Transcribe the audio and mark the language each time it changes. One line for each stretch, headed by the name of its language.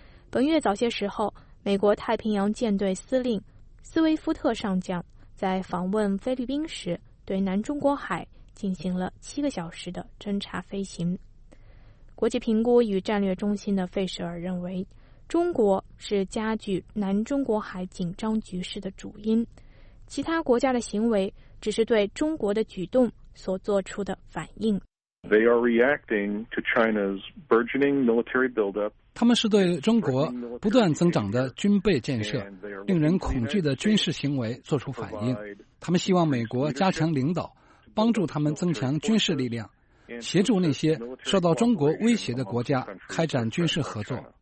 Chinese: 本月早些时候，美国太平洋舰队司令斯威夫特上将在访问菲律宾时，对南中国海进行了7个小时的侦察飞行。国际评估与战略中心的费舍尔认为，中国是加剧南中国海紧张局势的主因，其他国家的行为只是对中国的举动所做出的反应。
English: They are reacting to China's burgeoning military buildup.
Chinese: 他们是对中国不断增长的军备建设、令人恐惧的军事行为做出反应。他们希望美国加强领导，帮助他们增强军事力量，协助那些受到中国威胁的国家开展军事合作。